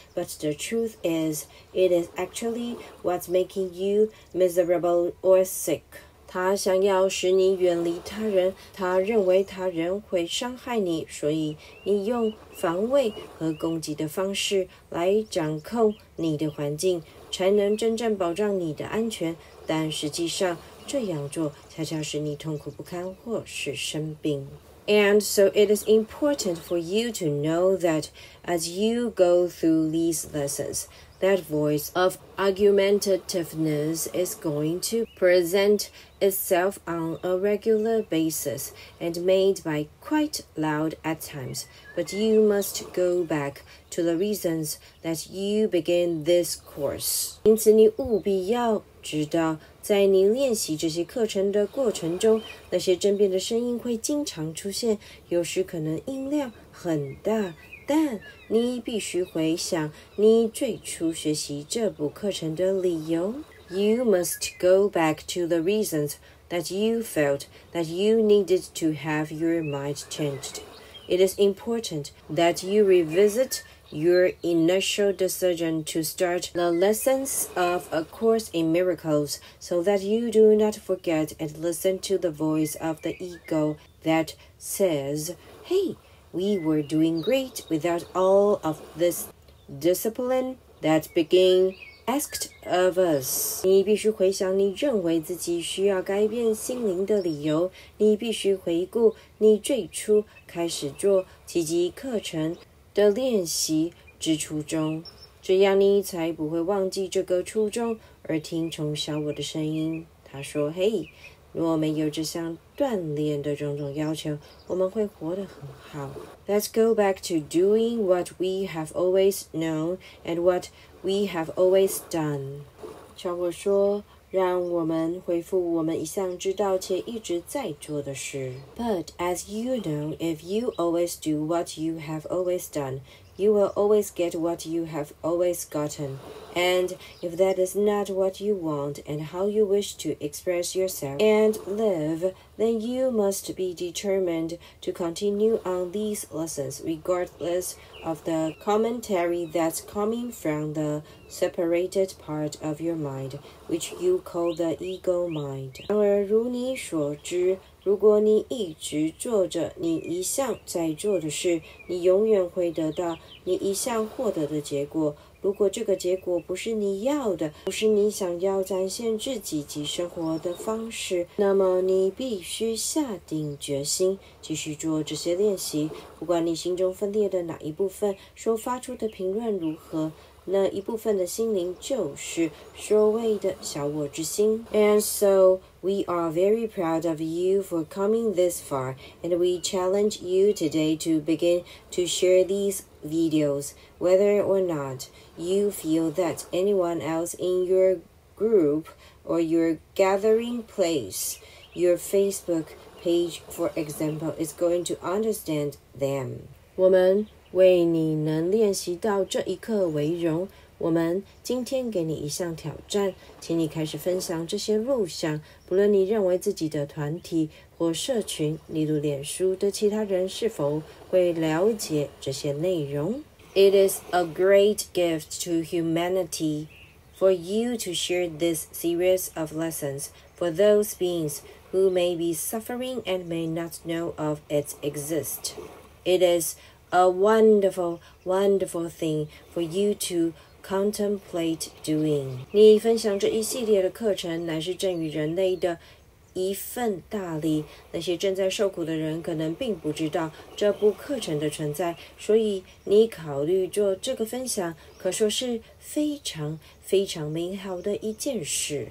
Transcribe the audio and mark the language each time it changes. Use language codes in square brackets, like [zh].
[en] But the truth is, it is actually what's making you miserable or sick. [zh] 他想要使你远离他人，他认为他人会伤害你，所以你用防卫和攻击的方式来掌控你的环境，才能真正保障你的安全。但实际上，这样做恰恰使你痛苦不堪或是生病。 [en] And so it is important for you to know that as you go through these lessons, that voice of argumentativeness is going to present itself on a regular basis and made by quite loud at times. But you must go back to the reasons that you begin this course. [zh] 因此你务必要知道，在你练习这些课程的过程中，那些争辩的声音会经常出现，有时可能音量很大，但你必须回想你最初学习这部课程的理由。 [en] You must go back to the reasons that you felt that you needed to have your mind changed. It is important that you revisit your initial decision to start the lessons of A Course in Miracles so that you do not forget and listen to the voice of the ego that says, Hey, we were doing great without all of this discipline that beginAsked of us. [zh] 你必须回想你认为自己需要改变心灵的理由。你必须回顾你最初开始做奇迹课程的练习之初衷。这样你才不会忘记这个初衷而听从小我的声音。他说，嘿，若没有这项锻炼的种种要求，我们会活得很好。 [en] Let's go back to doing what we have always known and what we have always done. [zh] 小我说，让我们恢复我们一向知道且一直在做的事。 [en] But as you know, if you always do what you have always done, you will always get what you have always gotten. And if that is not what you want and how you wish to express yourself and live, then you must be determined to continue on these lessons regardless of the commentary that's coming from the separated part of your mind, which you call the ego mind. [zh] 然而如你所知，如果你一直做着你一向在做的事，你永远会得到你一向获得的结果。如果这个结果不是你要的，不是你想要展现自己及生活的方式，那么你必须下定决心继续做这些练习。不管你心中分裂的哪一部分所发出的评论如何，那一部分的心灵就是所谓的小我之心。 [en] And so we are very proud of you for coming this far, and we challenge you today to begin to share these videos, whether or not you feel that anyone else in your group or your gathering place, your Facebook page, for example, is going to understand them. [zh] 我们为你能练习到这一刻为荣。我们今天给你一项挑战，请你开始分享这些录像，不论你认为自己的团体或社群，例如脸书的其他人是否会了解这些内容。 [en] It is a great gift to humanity for you to share this series of lessons for those beings who may be suffering and may not know of its exist. It isA wonderful, wonderful thing for you to contemplate doing. [zh] 你分享这一系列的课程乃是赠予人类的一份大礼。那些正在受苦的人可能并不知道这部课程的存在，所以你考虑做这个分享可说是非常非常美好的一件事。